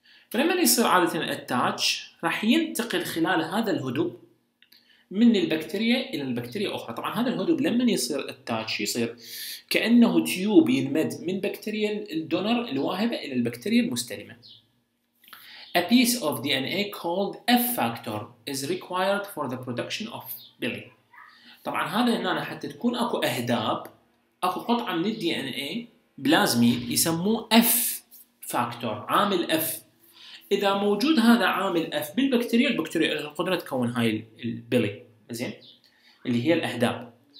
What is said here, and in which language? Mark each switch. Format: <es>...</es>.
<ar>فلما يصير عاده attach راح ينتقل خلال هذا الهدب من البكتيريا الى البكتيريا اخرى. طبعا هذا الهدوء لما يصير التاتش يصير كانه تيوب ينمد من بكتيريا الدونر الواهبه الى البكتيريا المستلمه.</ar> <en>A piece of DNA called F factor is required for the production of billy.</en> <ar>طبعا هذا هنا حتى تكون اكو اهداب، اكو قطعه من الدي ان اي بلازمي يسموه F factor، عامل F. إذا موجود هذا عامل F بالبكتيريا، البكتيريا لها القدرة تكون هاي البيلي، زين، اللي هي الأهداب.</ar>